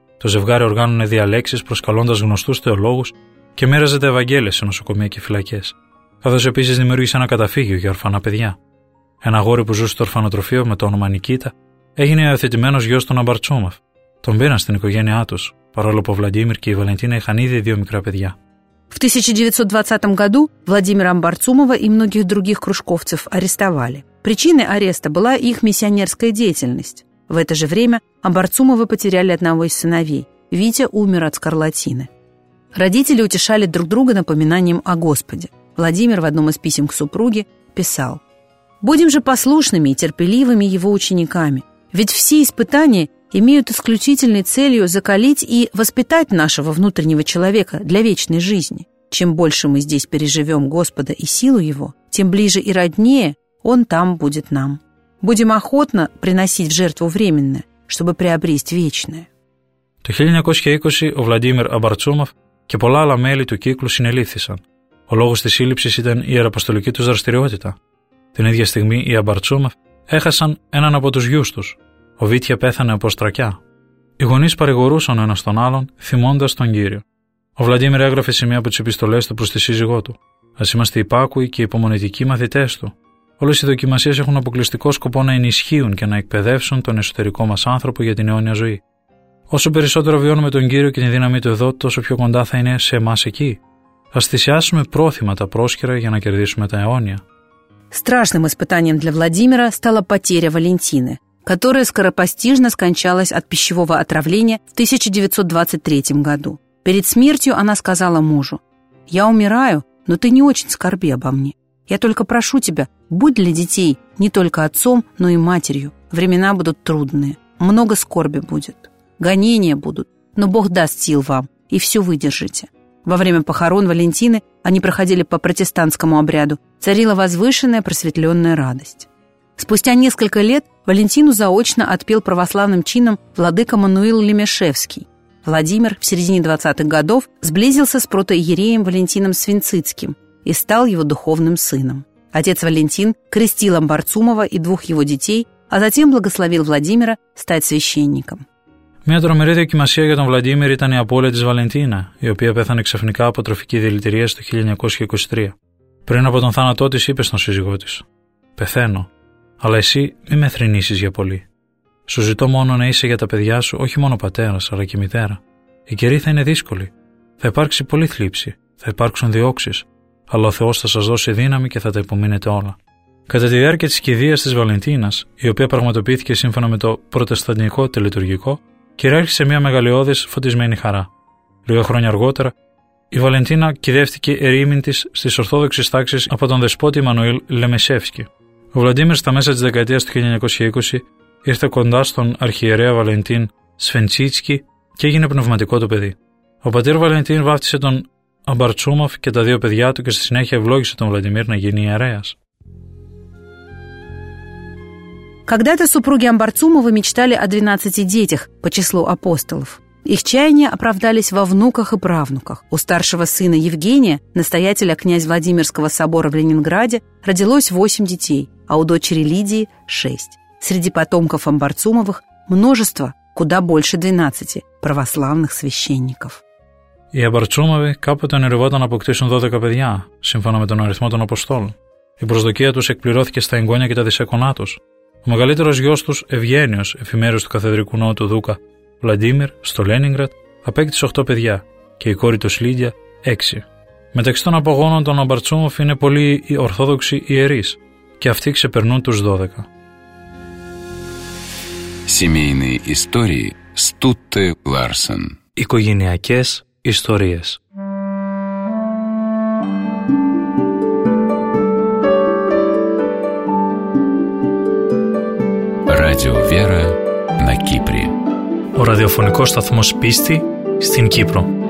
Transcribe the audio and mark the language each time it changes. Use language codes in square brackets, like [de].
[el] Το ζευγάρι οργάνωνε διαλέξεις προσκαλώντας γνωστούς θεολόγους και μοίραζε τα Ευαγγέλια σε νοσοκομεία και φυλακές, καθώς επίσης δημιούργησε ένα καταφύγιο για ορφανά παιδιά. Ένα αγόρι που ζούσε στο ορφανοτροφείο με το όνομα Νικήτα έγινε υιοθετημένος γιος των Αμπαρτσούμεφ. Τον πήραν στην οικογένειά τους, παρόλο που ο Βλαντίμιρ και η Βαλεντίνα είχαν ήδη δύο μικρά παιδιά. [ru] В 1920 году Владимира Амбарцумова и многих других кружковцев арестовали. Причиной ареста была их миссионерская деятельность. В это же время Амбарцумовы потеряли одного из сыновей. Витя умер от скарлатины. Родители утешали друг друга напоминанием о Господе. Владимир в одном из писем к супруге писал: «Будем же послушными и терпеливыми его учениками. Ведь все испытания имеют исключительной целью закалить и воспитать нашего внутреннего человека для вечной жизни. Чем больше мы здесь переживем Господа и силу Его, тем ближе и роднее Он там будет нам. Будем охотно приносить в жертву временное, чтобы приобрести вечное». [el] Το 1920 ο Βλαντίμιρ Αμπαρτσούμοφ και πολλά άλλα μέλη του κύκλου συνελήφθησαν. Ο λόγος της σύλληψης ήταν η ιεραποστολική τους δραστηριότητα. Την ίδια στιγμή οι Αμπαρτσούμοφ έχασαν έναν από τους γιους τους. Ο Βίτια πέθανε από στρακιά. Οι γονείς παρηγορούσαν ο ένας τον άλλον, θυμώντας τον Κύριο. Ο Βλαντίμιρ έγραφε σε μία από τις επιστολές του προς τη σύζυγό του: «Ας είμαστε υπάκουοι και υπομονετικοί μαθητές του. Όλες οι δοκιμασίες έχουν αποκλειστικό σκοπό να ενισχύουν και να εκπαιδεύσουν τον εσωτερικό μας άνθρωπο για την αιώνια ζωή. Όσο περισσότερο βιώνουμε τον Κύριο και την δύναμή του εδώ, τόσο πιο κοντά θα είναι σε εμάς εκεί. Ας θυσιάσουμε πρόθυμα τα πρόσκαιρα για να κερδίσουμε τα αιώνια». [ru] Страшным испытанием для Владимира стала потеря Валентины, которая скоропостижно скончалась от пищевого отравления в 1923 году. Перед смертью она сказала мужу: «Я умираю, но ты не очень скорби обо мне. Я только прошу тебя, будь для детей не только отцом, но и матерью. Времена будут трудные, много скорби будет, гонения будут, но Бог даст сил вам, и все выдержите». Во время похорон Валентины они проходили по протестантскому обряду, царила возвышенная просветленная радость. Спустя несколько лет Валентину заочно отпел православным чином владыка Мануил Лемешевский. Владимир в середине 20-х годов сблизился с протоиереем Валентином Свинцицким и стал его духовным сыном. Отец Валентин крестил Амбарцумова и двух его детей, а затем благословил Владимира стать священником. [el] Μια τρομερή δοκιμασία για τον Βλαντίμιρ ήταν η απώλεια της Βαλεντίνα, η οποία πέθανε ξαφνικά από τροφική δηλητηρίαση το 1923. Πριν από τον θάνατό της, είπε στον σύζυγό της: «Πεθαίνω, αλλά εσύ μη με θρηνήσεις για πολύ. Σου ζητώ μόνο να είσαι για τα παιδιά σου όχι μόνο πατέρας, αλλά και μητέρα. Η καιρή θα είναι δύσκολη. Θα υπάρξει πολλή θλίψη, θα υπάρξουν διώξεις, αλλά ο Θεός θα σας δώσει δύναμη και θα τα υπομείνετε όλα». Κατά τη διάρκεια της κηδείας της Βαλεντίνας, η οποία πραγματοποιήθηκε σύμφωνα με το προτεσταντικό τελετουργικό, κυριάρχησε μια μεγαλειώδης φωτισμένη χαρά. Λίγα χρόνια αργότερα, η Βαλεντίνα κηδεύτηκε ερήμην της στις Ορθόδοξες τάξεις από τον δεσπότη Μανουήλ Λεμεσεύσκη. Ο Βλαντίμιρ στα μέσα της δεκαετίας του 1920 ήρθε κοντά στον αρχιερέα Βαλεντίν Σφεντσίτσκι και έγινε πνευματικό το παιδί. Ο πατήρ Βαλεντίν βάφτισε τον Αμπαρτσούμοφ και τα δύο παιδιά του και στη συνέχεια ευλόγησε τον Βλαντίμιρ να γίνει ιερέας. [ru] Когда-то супруги Амбарцумовы мечтали о 12 детях по числу апостолов. Их чаяния оправдались во внуках и правнуках. У старшего сына Евгения, настоятеля князь Владимирского собора в Ленинграде, родилось 8 детей, а у дочери Лидии – 6. Среди потомков Амбарцумовых множество, куда больше 12, православных священников. [el] Οι Αμπαρτσούμοβοι κάποτε ονειρευόταν να αποκτήσουν 12 παιδιά, σύμφωνα με τον αριθμό των Αποστόλων. Η προσδοκία τους εκπληρώθηκε στα εγγόνια και τα δισεκονά τους. Ο μεγαλύτερος γιος τους, Ευγένιος, εφημέριος του Καθεδρικού Νότου Δούκα, Βλαντίμιρ, στο Λένιγκρατ, απέκτησε 8 παιδιά και η κόρη του Λίδια, 6. Μεταξύ των απογόνων των Αμπαρτσούμοφ είναι πολλοί Ορθόδοξοι ιερείς και αυτοί ξεπερνούν τους 12. [ru] Семейные истории Стутте Ларсен. [el] Οικογενειακές ιστορίες. [ru] Радио Вера на Кипре. [el] Ο ραδιοφωνικός σταθμός πίστη στην Κύπρο.